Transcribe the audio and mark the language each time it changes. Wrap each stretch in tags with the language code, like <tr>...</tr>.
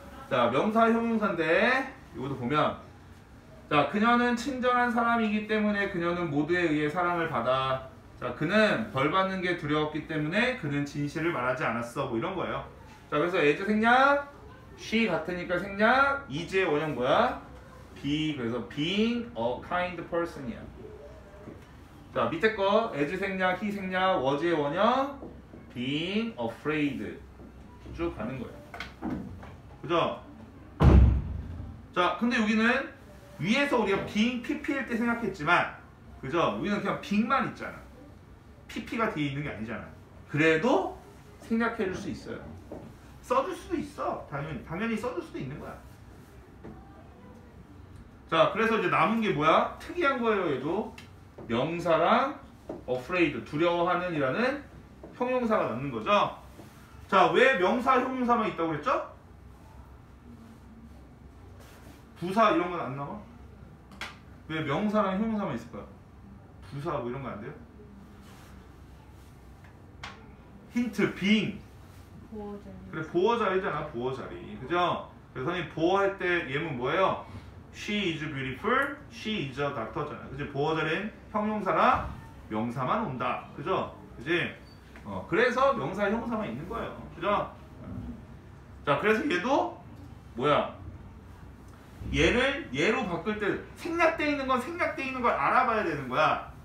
<ko>자, 명사 형용사인데 이것도 보면 자, 그녀는 친절한 사람이기 때문에 그녀는 모두에 의해 사랑을 받아. 자, 그는 벌 받는 게 두려웠기 때문에 그는 진실을 말하지 않았어. 뭐 이런 거예요. 자, 그래서 애즈 생략 she 같으니까 생략 이제 원형 뭐야?</ko> <en>be</en> <ko>그래서</ko> <en>being a kind person이야.</en> <ko>자 밑에 거 as 생략 he 생략 was의 원형 being afraid 쭉 가는 거야. 그죠? 자 근데 여기는 위에서 우리가 being pp일 때 생각했지만 그죠? 여기는 그냥 being만 있잖아. pp가 뒤에 있는 게 아니잖아. 그래도 생략해 줄 수 있어요. 써줄 수도 있어. 당연히 써줄 수도 있는 거야. 자, 그래서 이제 남은 게 뭐야? 특이한 거예요, 얘도. 명사랑 afraid, 두려워하는 이라는 형용사가 남는 거죠. 자, 왜 명사, 형용사만 있다고 그랬죠? 부사 이런 건 안 남아? 왜 명사랑 형용사만 있을까요? 부사 뭐 이런 거 안 돼요? 힌트, being. 보호자리. 그래, 보호자리잖아, 보호자리. 그죠? 그래서 선생님, 보호할 때 예문 뭐예요?</ko> <en>She is beautiful, she is a doctor잖아.</en> <ko>그치? 보호자리는 형용사나 명사만 온다. 그죠? 그치? 그래서 명사, 형용사만 있는 거예요. 그죠? 자, 그래서 얘도, 뭐야? 얘를 얘로 바꿀 때, 생략되어 있는 건 생략되어 있는 걸 알아봐야 되는 거야.</ko>